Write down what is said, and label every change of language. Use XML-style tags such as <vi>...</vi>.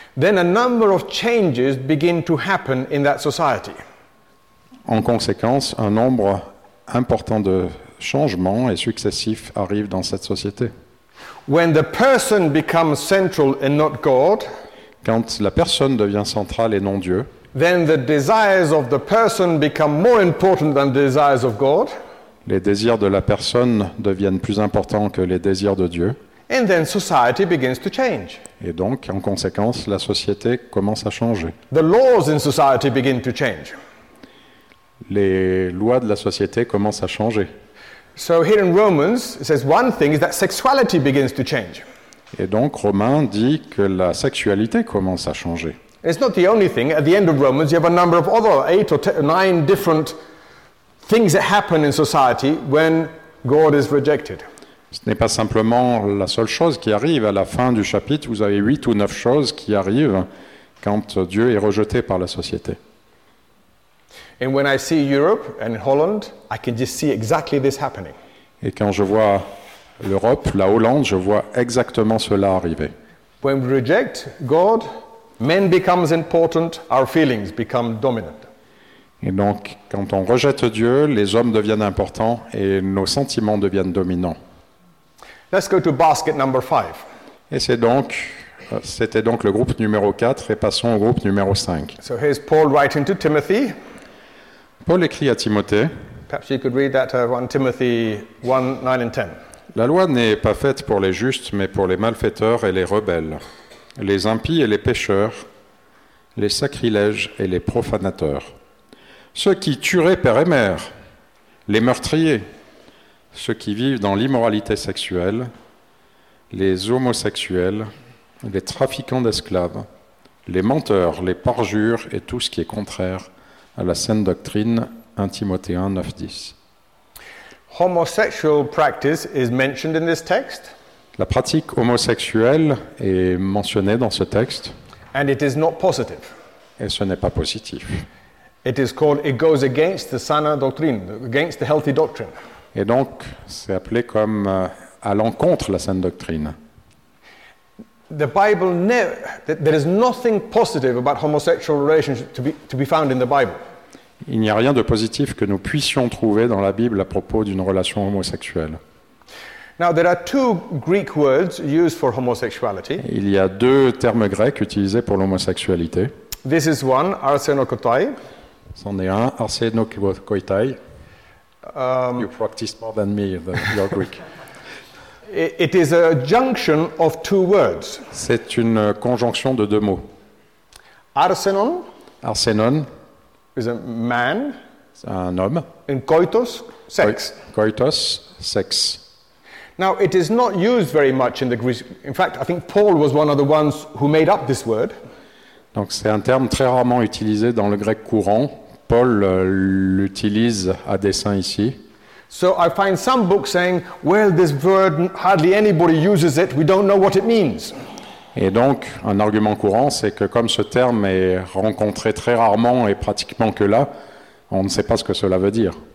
<en>then a number of changes begin to happen in that society.</en> <fr>En conséquence, un nombre important de changements et successifs arrive dans cette société.</fr> <en>When the person becomes central and not God,</en> <fr>quand la personne devient centrale et non Dieu,</fr> <en>then the desires of the person become more important than the desires of God.</en> <fr>Les désirs de la personne deviennent plus importants que les désirs de Dieu.</fr> <en>And then society begins to change.</en> <fr>Et donc, en conséquence, la société commence à changer.</fr> <en>The laws in society begin to change.</en> <fr>Les lois de la société commencent à changer.</fr> <en>So here in Romans, it says one thing is that sexuality begins to change.</en> <fr>Et donc Romain dit que la sexualité commence à changer.</fr> <en>It's not the only thing. At the end of Romans, you have a number of other 8 or 9 different things that happen in society when God is rejected.</en> <fr>Ce n'est pas simplement la seule chose qui arrive à la fin du chapitre. Vous avez 8 ou 9 choses qui arrivent quand Dieu est rejeté par la société.</fr> <en>And when I see Europe and Holland, I can just see exactly this happening.</en> <fr>Et quand je vois l'Europe, la Hollande, je vois exactement cela arriver.</fr> <en>When we reject God, men becomes important, our feelings become dominant.</en> <fr>Et donc, quand on rejette Dieu, les hommes deviennent importants et nos sentiments deviennent dominants.</fr> <en>Let's go to basket number 5.</en> <fr>Et c'était donc le groupe numéro 4 et passons au groupe numéro 5.</fr> <en>So here's Paul writing to Timothy.</en> <fr>Paul écrit à Timothée.</fr> <en>Perhaps you could read that to 1 Timothy 1, 9 and 10.</en> <fr>La loi n'est pas faite pour les justes, mais pour les malfaiteurs et les rebelles, les impies et les pécheurs, les sacrilèges et les profanateurs, ceux qui tueraient père et mère, les meurtriers, ceux qui vivent dans l'immoralité sexuelle, les homosexuels, les trafiquants d'esclaves, les menteurs, les parjures et tout ce qui est contraire à la saine doctrine, 1 Timothée 1, 9, 10.</fr> <en>Homosexual practice is mentioned in this text.</en> <fr>La pratique homosexuelle est mentionnée dans ce texte.</fr> <en>And it is not positive.</en> <fr>Et ce n'est pas positif.</fr> <en>It is called, it goes against the sana doctrine, against the healthy doctrine.</en> <fr>Et donc, c'est appelé comme à l'encontre la saine doctrine.</fr> <en>The Bible never, there is nothing positive about homosexual relationships to be found in the Bible.</en> <fr>Il n'y a rien de positif que nous puissions trouver dans la Bible à propos d'une relation homosexuelle.</fr> <en>Now, there are two Greek words used for homosexuality.</en> <fr>Il y a 2 termes grecs utilisés pour l'homosexualité.</fr> <en>This is one, arsenokotai.</en> <fr>C'en est un, arsenokotai.</fr> <en>You practice more than me, your Greek. It is a junction of two words.</en> <fr>C'est une conjonction de 2 mots.</fr> <en>Arsenon.</en> <fr>Arsenon.</fr> <en>Is a man.</en> <fr>C'est un homme.</fr> <en>And koitos, sex.</en> <fr>Koitos, sex.</fr> <en>Now, it is not used very much in the Greek. In fact, I think Paul was one of the ones who made up this word.</en> <fr>Donc, c'est un terme très rarement utilisé dans le grec courant. Paul l'utilise à dessein ici.</fr> <en>So I find some books saying, well, this word, hardly anybody uses it, we don't know what it means.</en> <fr>Et donc, un argument courant, c'est que comme ce terme est rencontré très rarement et pratiquement que là, on ne sait pas ce que cela veut dire.</fr>